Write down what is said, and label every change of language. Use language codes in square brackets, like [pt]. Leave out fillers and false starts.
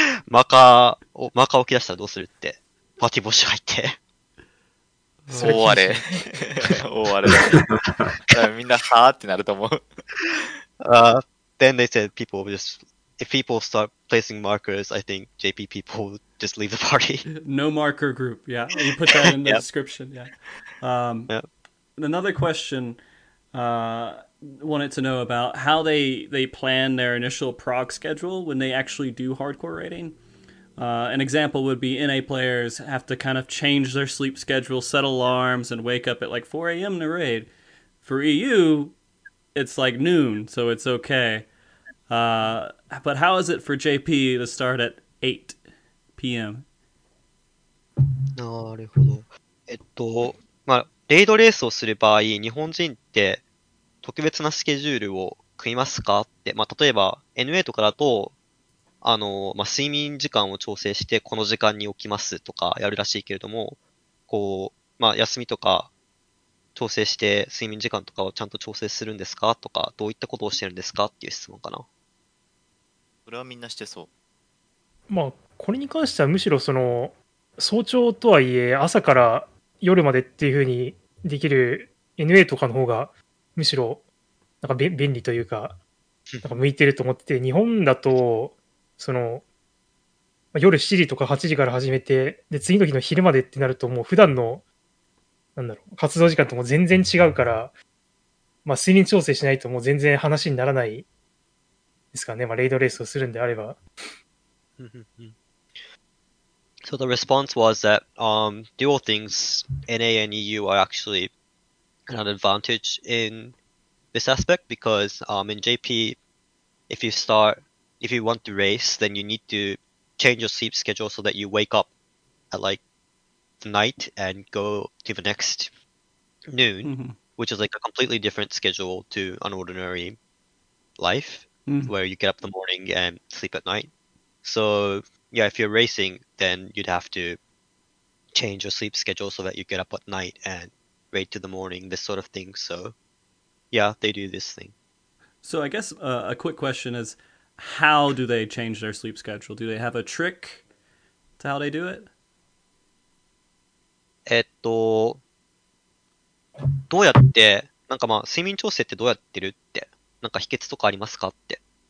[ja] マーカーを置き出したらどうするって。パティ募集入って。大荒れ。大荒れ。みんな、はぁってなると思う。 [en] Then they said people will just, if people start placing markers, I think JP people will just leave the party. No marker group, yeah. You put that in the description, yeah. Another question, wanted to know about how they plan their initial proc schedule when they actually do hardcore raiding. An example would be NA players have to kind of change their sleep schedule, set alarms, and wake up at like 4 a.m. to raid. For EU, it's like noon, so it's okay. But how is it for JP to start at 8 p.m.? [ja] なるほど。まあ、レイドレースをする場合、日本人って特別なスケジュールを組みますかって、まあ、例えば NA とかだと、まあ、睡眠時間を調整してこの時間に起きますとかやるらしいけれども、こう、まあ、休みとか調整して睡眠時間とかをちゃんと調整するんですかとか、どういったことをしてるんですかっていう質問かな。それはみんなしてそう。まあ、これに関してはむしろその、早朝とはいえ朝から夜までっていうふうにできる NA とかの方が、むしろなんか便利というか、 なんか向いてると思ってて、日本だとその夜7時とか8時から始めて、で次の日の昼までってなると、もう普段のなんだろう活動時間とも全然違うから、まあ睡眠調整しないともう全然話にならないですかね。まあレイドレースをするんであれば。 [en] So the response was that dual things NA and EU are actually an advantage in this aspect, because in JP, if you want to race, then you need to change your sleep schedule so that you wake up at like the night and go to the next noon, mm-hmm. which is like a completely different schedule to an ordinary life, mm-hmm. where you get up in the morning and sleep at night. So yeah, if you're racing, then you'd have to change your sleep schedule so that you get up at night andRaid to the morning, this sort of thing. So, yeah, they do this thing. So I guess a quick question is, how do they change their sleep schedule? Do they have a trick to how they do it? [ja] どうやって、なんかまあ、睡眠調整ってどうやってるって、なんか秘訣とかありますかって。